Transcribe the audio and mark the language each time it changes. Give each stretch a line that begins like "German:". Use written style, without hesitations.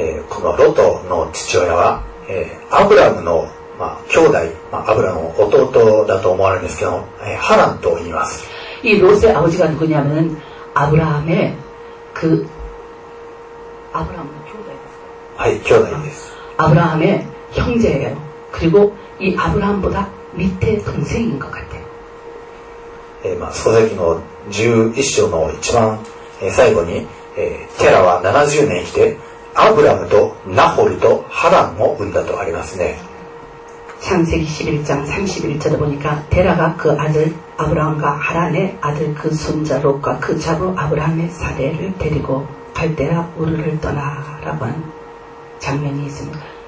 Japanese: このロトの父親は、アブラムの、まあ、兄弟、まあ、アブラムの弟だと思われるんですけど、ハランと言います。
Korean: 이롯의아버지가누구냐면아브라함의그아브라함의형제입니다
Japanese: はい兄弟です
Korean: 아브라함의형제예요그리고이아브라함보다밑에동생인것같아요
Japanese: まあ創世記の11章の一番最後に、テラは70年生きてアブラムとナホルとハランを産んだとありますね
Korean: 창세기11장31절에보니까테라가그아들아브라함과하란의아들그손자롯과그자부아브라함의사례를데리고갈대라우르를떠나라는장면이있습니다